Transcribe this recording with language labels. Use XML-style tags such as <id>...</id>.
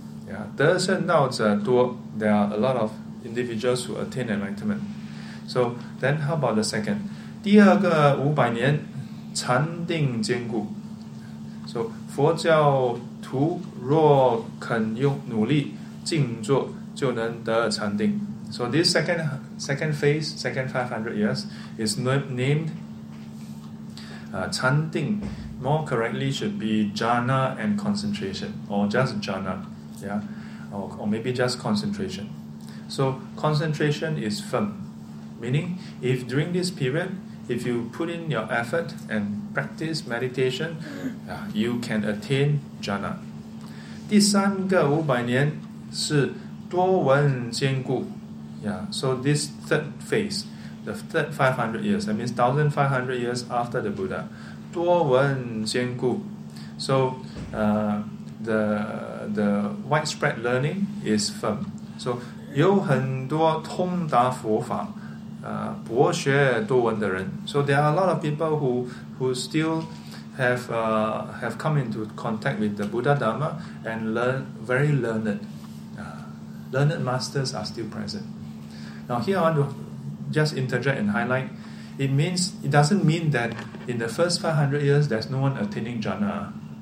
<en>Yeah,</en> <zh>得胜道者多</zh> <en>there are a lot of individuals who attain enlightenment. So then how about the second?</en> <zh>第二个五百年禅定坚固。 So 佛教徒若肯用努力静坐就能得禅定。</zh> <en>So this second 500 years is named 禅定 more correctly should be jhana and concentration or just jhana, yeah, or maybe just concentration. So concentration is firm, meaning if during this period if you put in your effort and practice meditation, you can attain jhana.</en> <zh>第三个五百年是多闻坚固。</zh> <en>Yeah, so this third phase, the third 500 years, that means 1500 years after the Buddha.</en> <zh>多闻坚固.</zh> <en>So the widespread learning is firm.</en> <zh>So 有很多通达佛法博学多闻的人.</zh> <en>So there are a lot of people who still have come into contact with the Buddha Dharma and learn very learned. Learned masters are still present. Now here I want to just interject and highlight. It doesn't mean that in the first 500 years there's no one attaining jhana.</en>